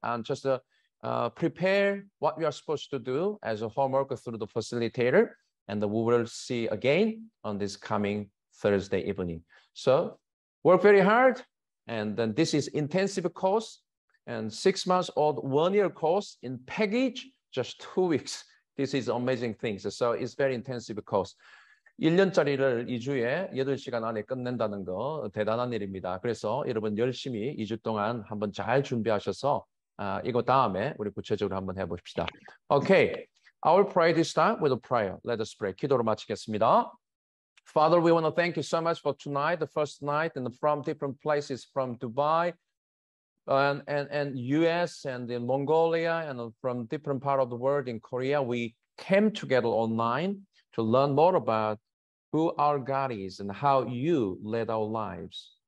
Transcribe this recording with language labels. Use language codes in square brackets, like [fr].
[en] And just prepare what we are supposed to do as a homework through the facilitator. And we will see again on this coming Thursday evening. So work very hard. And then this is intensive course. And 6 months old, 1 year course in package, just 2 weeks. This is amazing things. So it's very intensive course. [ko] 1년짜리를 2주에 8시간 안에 끝낸다는 거 대단한 일입니다. 그래서 여러분 열심히 2주 동안 한번 잘 준비하셔서 이거 다음에 우리 구체적으로 한번 해봅시다. [en] Okay, I will pray this time with a prayer. Let us pray. [ko] 기도로 마치겠습니다. [en] Father, we want to thank you so much for tonight, the first night, and from different places, from Dubai, and US, and in Mongolia, and from different part of the world in Korea, we came together online to learn more about who our God is and how you led our lives.